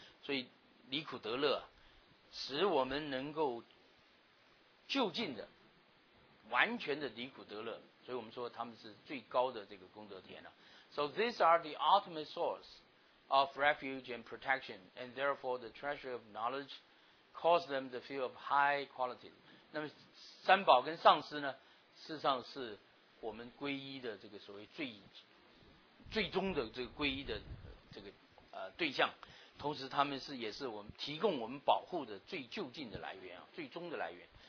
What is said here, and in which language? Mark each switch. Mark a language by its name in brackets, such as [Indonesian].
[Chinese] 所以离苦得乐，使我们能够就近的。完全的离苦得乐，所以我们说他们是最高的这个功德田啊。 [English] So these are the ultimate source of refuge and protection, and therefore the treasure of knowledge calls them the field of high quality. [Chinese] 那么三宝跟上师呢，事实上是我们皈依的这个所谓最终的这个皈依的这个对象，同时他们是也是我们提供我们保护的最就近的来源啊，最终的来源。